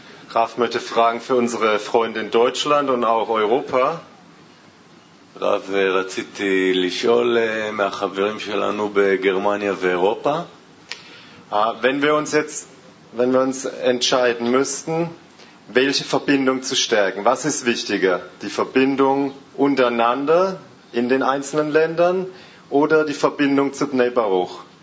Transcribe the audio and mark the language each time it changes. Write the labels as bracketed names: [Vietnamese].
[German] Raf möchte fragen für unsere Freunde in Deutschland und auch Europa. [Hebrew] רב, רציתי לשאול מהחברים שלנו בגרמניה ואירופה. [German] Wenn wir uns entscheiden müssten, welche Verbindung zu stärken, was ist wichtiger? Die Verbindung untereinander in den einzelnen Ländern oder die Verbindung zu Bnei Baruch?